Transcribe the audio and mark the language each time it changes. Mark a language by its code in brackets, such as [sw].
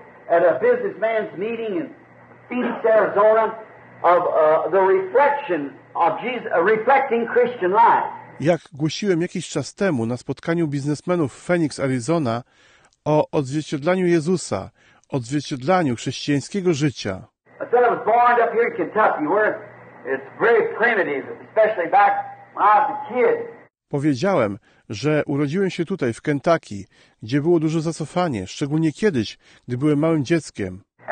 [en] At a businessman's meeting in Phoenix, Arizona, of the reflection of Jesus, a reflecting Christian life. [pl] Jak głosiłem jakiś czas temu na spotkaniu biznesmenów w Phoenix, Arizona, o odzwierciedlaniu Jezusa, odzwierciedlaniu chrześcijańskiego życia. [en] I said I was born up here in Kentucky, where it's very primitive, especially back when I was a kid. [pl] Powiedziałem, że urodziłem się tutaj, w Kentucky, gdzie było duże zacofanie, szczególnie kiedyś, gdy byłem małym dzieckiem.